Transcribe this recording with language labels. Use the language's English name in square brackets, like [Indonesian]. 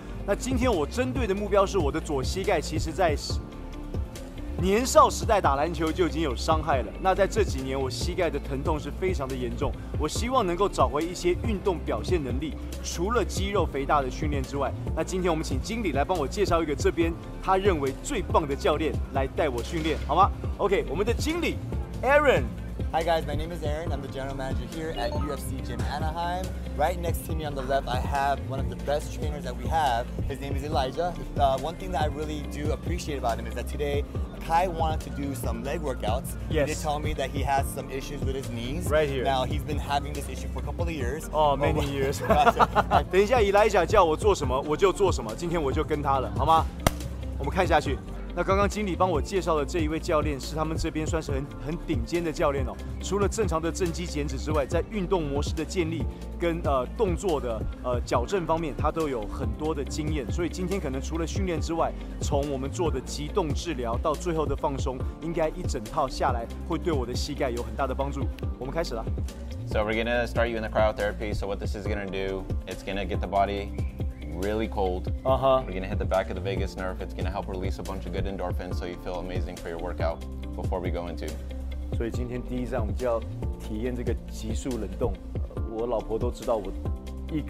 [Chinese] 那今天我针对的目标是我的左膝盖，其实在年少时代打篮球就已经有伤害了。那在这几年，我膝盖的疼痛是非常的严重。我希望能够找回一些运动表现能力，除了肌肉肥大的训练之外，那今天我们请经理来帮我介绍一个这边他认为最棒的教练来带我训练，好吗 ？OK， 我们的经理 Aaron。 [English] Hi guys, my name is Aaron. I'm the general manager here at UFC Gym Anaheim. Right next to me on the left, I have one of the best trainers that we have. His name is Elijah. One thing that I really do appreciate about him is that today, Kai wanted to do some leg workouts. Yes. He did tell me that he has some issues with his knees. Right here. Now, he's been having this issue for a couple of years. Oh, many years. [Chinese] 等一下 Elijah 叫我做什么，我就做什么。今天我就跟他了，好吗？我们看下去。那刚刚经理帮我介绍的这一位教练是他们这边算是很顶尖的教练哦。除了正常的正肌减脂之外，在运动模式的建立跟动作的矫正方面，他都有很多的经验。所以今天可能除了训练之外，从我们做的极动治疗到最后的放松，应该一整套下来会对我的膝盖有很大的帮助。我们开始了。 [English] So we're gonna start you in the cryotherapy. So what this is gonna do, it's gonna get the body. Really cold. Uh-huh. We're gonna hit the back of the vagus nerve. It's gonna help release a bunch of good endorphins, so you feel amazing for your workout. Before we go into, so today, the first thing we're gonna do is experience this extreme cold. My wife knows I'm afraid of heat.